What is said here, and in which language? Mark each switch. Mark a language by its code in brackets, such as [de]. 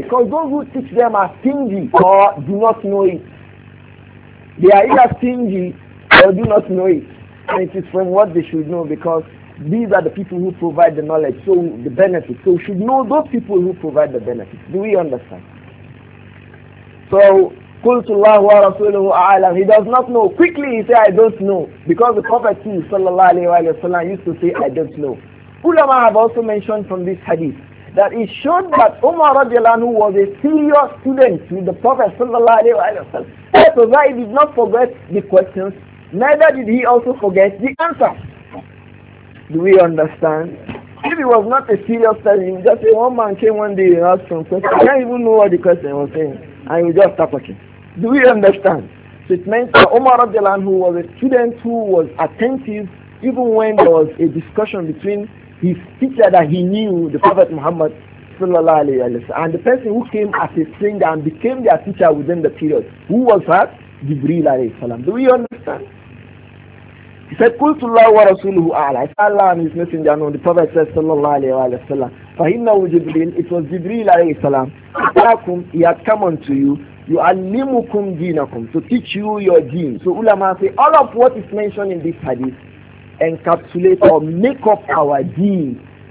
[en] Because those who teach them are stingy or do not know it. They are either stingy or do not know it. And it is from what they should know, because these are the people who provide the knowledge, so the benefit. So we should know those people who provide the benefit. Do we understand? [ar] So, قُلْتُ اللَّهُ وَرَسُولُهُ أَعْلَمُ. [en] He does not know. Quickly he says, I don't know. Because the Prophet sallallahu alayhi wa sallam used to say, I don't know. Ulama have also mentioned from this hadith that it showed that Umar radiallahu anhu was a serious student with the Prophet sallallahu alayhi wa sallam. So that he did not forget the questions, neither did he also forget the answer. Do we understand? If he was not a serious student, just say one man came one day and asked some questions. He didn't even know what the question was saying. And he would just start talking. Do we understand? So it meant that Umar radiallahu anhu was a student who was attentive even when there was a discussion between his teacher that he knew, the Prophet Muhammad sallallahu alayhi wa sallam, and the person who came as a stranger and became their teacher within the period. Who was that? Jibreel alayhi salam. Do we understand? He said, [ar] قُلْتُ اللَّهُ وَرَسُولُهُ أَعْلَىٰ. [en] Allah and his messenger know. The Prophet said, sallallahu alayhi wa sallam, [ar] فَهِنَّهُ جِبْرِيلُ. [en] It was Jibreel alayhi salam. [ar] أَتَاكُمْ. [en] He had come unto you. [ar] يُعَلِّمُكُمْ دِينَكُمْ. [en] To teach you your deen. So ulama say, all of what is mentioned in this hadith encapsulate or make up our deen.